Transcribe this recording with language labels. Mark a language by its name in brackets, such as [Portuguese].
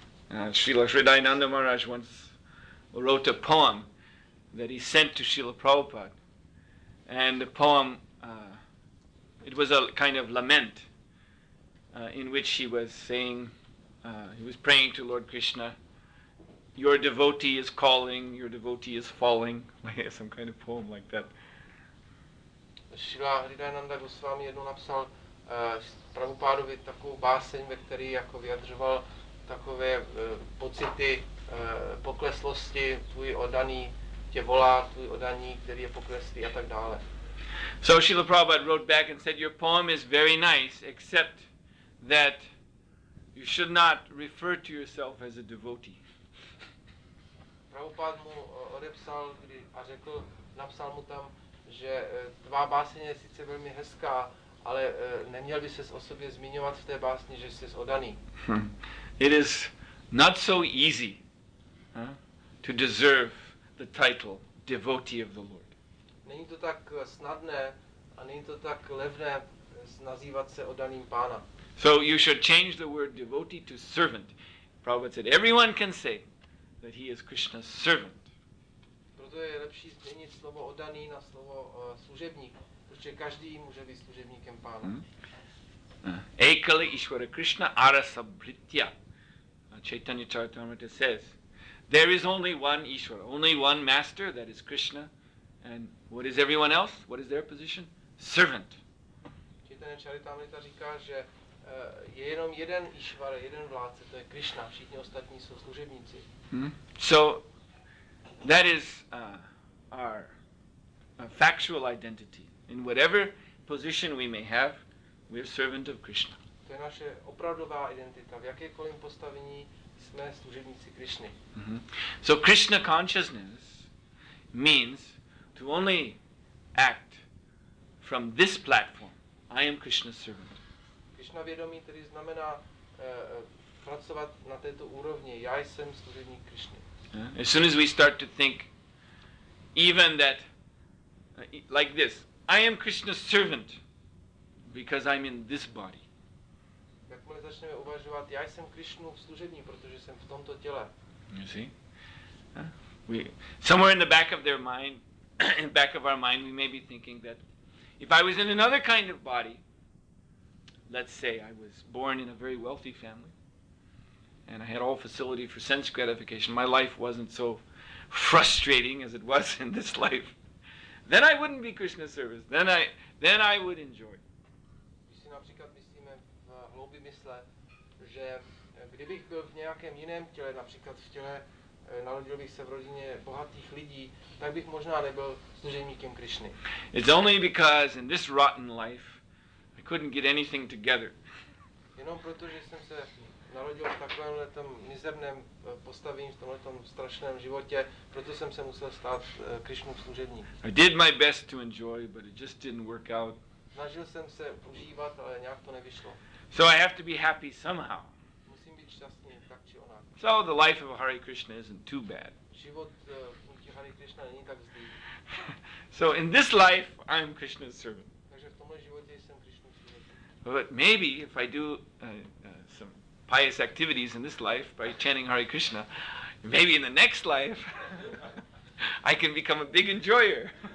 [English] Srila Sridhananda Maharaj once wrote a poem that he sent to Srila Prabhupada, and the poem, it was a kind of lament in which he was saying, he was praying to Lord Krishna, your devotee is calling, your devotee is falling, some kind of poem like that. [Czech] Srila Sridhananda Goswami jednou napsal Prabhupádovi takovou báseň, ve které jako vyjadřoval takové pocity pokleslosti, tvůj oddaný tě volá, tvůj oddaný, který je pokleslý a tak dále. [English] So Srila Prabhupada wrote back and said, your poem is very nice, except that you should not refer to yourself as a devotee. [Czech] Prabhupád mu odepsal a řekl, napsal mu tam, že tvá báseň je sice velmi hezká, ale neměl by ses o sobě zmiňovat v té básni, že jsi oddaný. [English] It is not so easy to deserve the title devotee of the Lord. [Czech] Není to tak snadné a není to tak levné nazývat se oddaným Pána. [English] So you should change the word devotee to servant. Prabhupada said everyone can say that he is Krishna's servant. [Czech] Proto je lepší změnit slovo oddaný na slovo služebník. Protože každý může být služebníkem Pána. [Sanskrit] Ekali Ishvara Krishna arasa bhritya. [English] Chaitanya Charitamrita says, there is only one Ishvara, only one master, that is Krishna. And what is everyone else? What is their position? Servant. [Czech] Chaitanya Charitamrita říká, že je jenom jeden Ishvara, jeden vládce, to je Krishna. Všichni ostatní jsou služebníci. [English] So, that is our factual identity. In whatever position we may have, we are servant of Krishna. [Czech] To je naše opravdová identita. V jakékoliv postavení jsme služebníci Krishny. Mm-hmm. [English] So Krishna consciousness means to only act from this platform. I am Krishna's servant. [Czech] Krishna vědomí tedy znamená pracovat na této úrovni. Já jsem služebník Krishny. [English] As soon as we start to think even that like this, I am Krishna's servant because I'm in this body. [Czech] Jakmile začneme uvažovat, já jsem Krishnův služebník, protože jsem v tomto těle. [English] You see? Somewhere in the back of their mind, in the back of our mind, we may be thinking that if I was in another kind of body, let's say I was born in a very wealthy family and I had all facility for sense gratification, my life wasn't so frustrating as it was in this life. Then I wouldn't be Krishna's servant. Then I would enjoy. [Czech] Když si například myslíme v hloubi mysle, že kdybych byl v nějakém jiném těle, například v těle, narodil bych se v rodině bohatých lidí, tak bych možná nebyl služebníkem Krishny. [English] It's only because in this rotten life I couldn't get anything together. [Czech] Jenom proto, že jsem se narodil v takovémhle tom mizerném postavení, v tomhle tom strašném životě, proto jsem se musel stát Krišnův služebník. [English] I did my best to enjoy, but it just didn't work out. [Czech] Snažil jsem se užívat, ale nějak to nevyšlo. [English] So I have to be happy somehow. [Czech] Musím být šťastný, tak či onak. [English] So the life of Hare Krishna isn't too bad. [Czech] Život kulti Hare Krishna není tak zlý. [English] So in this life, I'm Krishna's servant. [Czech] Takže v tomhle životě jsem Krišnův služebník. [English] But maybe if I do some pious activities in this life by chanting Hare Krishna, maybe in the next life I can become a big enjoyer.